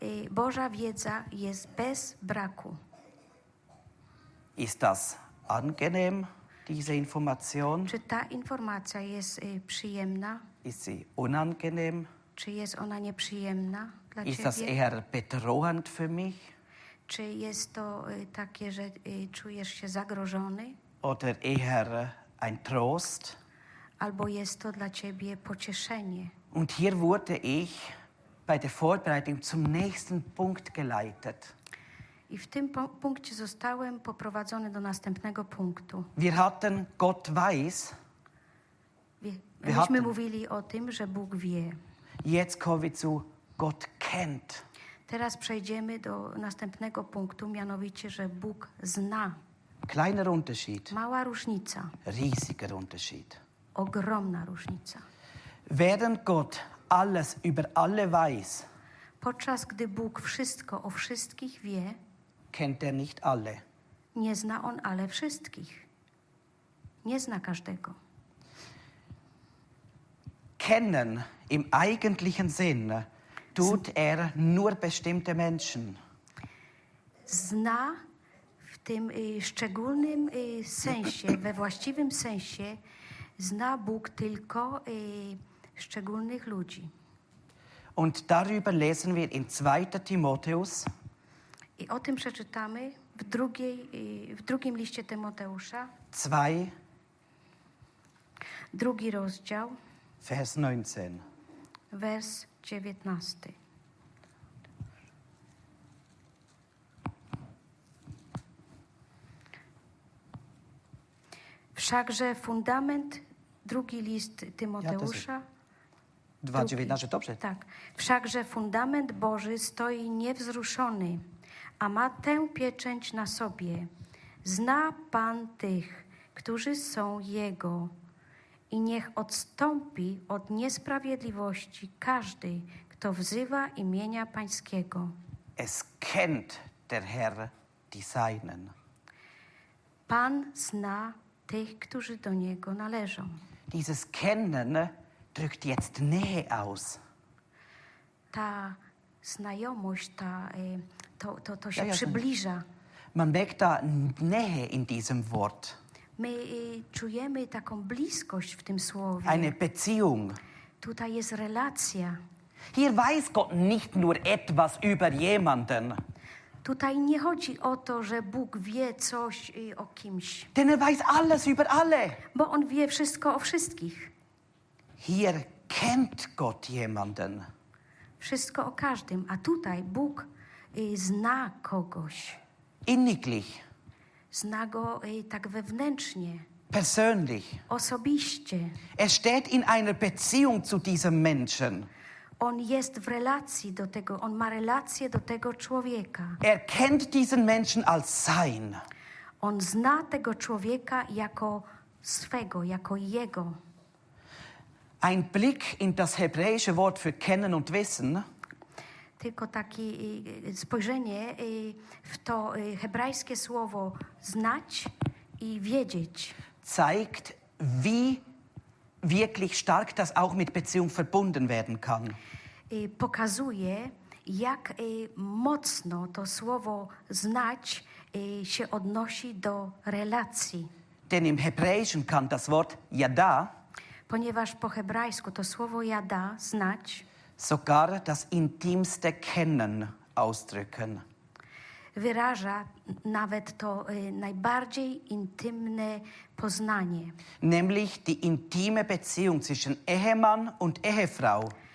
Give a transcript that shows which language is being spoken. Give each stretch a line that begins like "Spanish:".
Polish: Boża wiedza jest bez braku.
German: Ist das angenehm, diese Information?
Polish: Czy ta informacja jest przyjemna?
German: Ist sie unangenehm?
Polish: Czy jest ona nieprzyjemna dla ciebie?
German: Ist das eher bedrohend für mich?
Polish: Czy jest to takie, że czujesz się zagrożony?
German: Oder eher ein Trost?
Polish: Albo jest to dla ciebie pocieszenie.
German: Und hier wurde ich bei der Vorbereitung zum nächsten Punkt geleitet.
Polish: I w tym punkcie zostałem poprowadzony do następnego punktu.
German: Wir hatten Gott weiß.
Polish: Myśmy mówili o tym, że Bóg wie.
German: Jetzt kommen wir zu Gott kennt.
Polish: Teraz przejdziemy do następnego punktu, mianowicie, że Bóg zna.
German: Kleiner Unterschied.
Polish: Mała różnica.
German: Riesiger Unterschied.
Polish: Ogromna różnica.
German: Während Gott alles über alle weiß,
Polish: podczas gdy Bóg wszystko o wszystkich wie,
German: kennt er nicht alle.
Polish: Nie zna on ale wszystkich. Nie zna każdego.
German: Kennen im eigentlichen Sinn tut er nur bestimmte Menschen.
Polish: Zna w tym szczególnym sensie, we właściwym sensie, zna Bóg tylko szczególnych ludzi.
German: Und darüber lesen wir in 2. Timotheus.
Polish: I o tym przeczytamy w drugim liście Tymoteusza.
German: 2.
Polish: Drugi rozdział.
German: Vers 19.
Polish: vers 19. Wszakże fundament, drugi list Tymoteusza. 2:19, dobrze? Tak. Wszakże fundament Boży stoi niewzruszony, a ma tę pieczęć na sobie. Zna Pan tych, którzy są Jego. I niech odstąpi od niesprawiedliwości każdy, kto wzywa imienia Pańskiego.
German: Es kennt der Herr die Seinen.
Polish: Pan zna tych, którzy do Niego należą.
German: Dieses Kennen drückt jetzt Nähe aus.
Polish: Ta znajomość, ta, to się przybliża.
German: Man merkt da Nähe in diesem Wort.
Polish: My czujemy taką bliskość w tym słowie.
German: Eine Beziehung.
Polish: Tutaj jest relacja.
German: Hier weiß Gott nicht nur etwas über jemanden.
Polish: Tutaj nie chodzi o to, że Bóg wie coś o kimś.
German: Denn er weiß alles über alle.
Polish: Bo on wie wszystko o wszystkich.
German: Hier kennt Gott jemanden.
Polish: Wszystko o każdym, a tutaj Bóg zna kogoś.
German: Inniglich.
Polish: Zna go tak wewnętrznie.
German: Persönlich.
Polish: Osobiście.
German: Er steht in einer Beziehung zu diesem Menschen.
Polish: On jest w relacji do tego, on ma relację do tego człowieka.
German: Er kennt diesen Menschen als sein.
Polish: On zna tego człowieka jako swego, jako jego.
German: Ein Blick in das hebräische Wort für kennen und wissen.
Polish: Tylko takie spojrzenie w to hebrajskie słowo znać i wiedzieć.
German: Zeigt, wie wirklich stark das auch mit Beziehung verbunden werden kann.
Polish: Pokazuje, jak mocno to słowo znać się odnosi do relacji.
German: Denn im Hebräischen kann das Wort yada,
Polish: ponieważ po hebrajsku to słowo yada, znać,
German: sogar das intimste kennen ausdrücken.
Polish: Wyraża nawet to najbardziej intymne poznanie.
German: Nämlich die intime Beziehung zwischen Ehemann und Ehefrau.